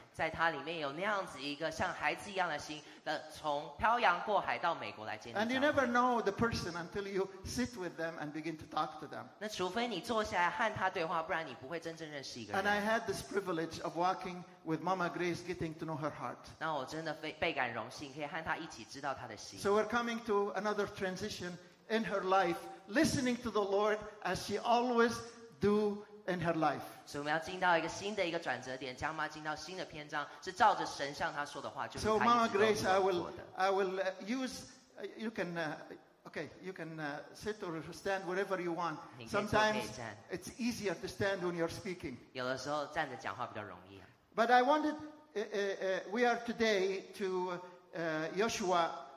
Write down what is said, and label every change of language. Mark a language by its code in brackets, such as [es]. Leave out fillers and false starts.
[zh] 在她里面有那样子一个像孩子一样的心，那从漂洋过海到美国来见。 [en] And you never know the person until you sit with them and begin to talk to them. [zh] 那除非你坐下来和她对话，不然你不会真正认识一个人。 [en] And I had this privilege of walking with Mama Grace, getting to know her heart. [zh] 那我真的倍感荣幸，可以和她一起知道她的心。 [en] So we're coming to another transition in her life, listening to the Lord as she always do. In her life. [zh] 所以我们要进到一个新的一个转折点，江妈进到新的篇章，是照着神向她说的话，就是她一直都做的。 [en] So, Mama Grace, I will use. You can, okay, you can sit or stand wherever you want. Sometimes it's easier to stand when you're speaking. [zh] 有的时候站着讲话比较容易。 [en] But I wanted, we are today to Joshua.